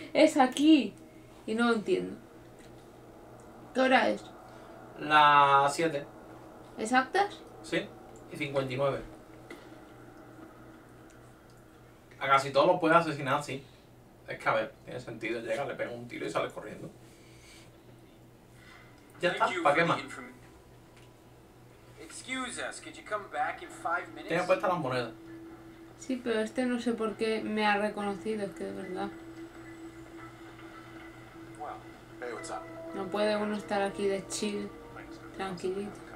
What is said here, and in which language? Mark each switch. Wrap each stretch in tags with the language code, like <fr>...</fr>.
<es>Es aquí. Y no lo entiendo. ¿Qué hora es? Las 7. ¿Exactas? Sí, y 59. A casi todos los puede asesinar, sí. Es que a ver, tiene sentido. Llega, le pega un tiro y sale corriendo. Ya está, ¿para qué más?</es> <en>Excuse us, could you come back in 5 minutes?</en> <es>Tiene puesta las monedas. Sí, pero este no sé por qué me ha reconocido, es que de verdad. No puede uno estar aquí de chill, tranquilito.</es>